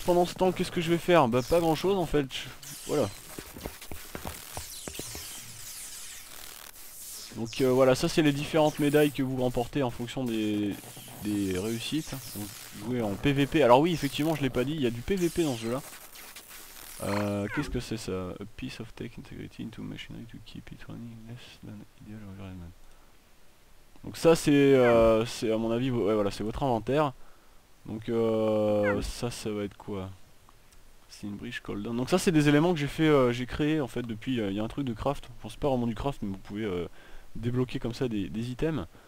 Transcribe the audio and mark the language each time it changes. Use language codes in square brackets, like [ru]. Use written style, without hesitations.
[fr] Pendant ce temps, qu'est-ce que je vais faire? Bah, pas grand-chose en fait. Voilà. Donc voilà, ça c'est les différentes médailles que vous remportez en fonction des réussites. Vous jouez en PVP. Alors oui, effectivement, je l'ai pas dit, il y a du PVP dans ce jeu-là. Qu'est-ce que c'est ça? [en] A piece of tech integrity into machinery to keep it running less than ideal environment. [fr] Donc ça c'est à mon avis, ouais, voilà, c'est votre inventaire. Donc ça va être quoi? C'est une bridge cold. Donc ça c'est des éléments que j'ai fait, j'ai créé en fait depuis, il y a un truc de craft. Enfin, c'est pas vraiment du craft, mais vous pouvez... débloquer comme ça des items.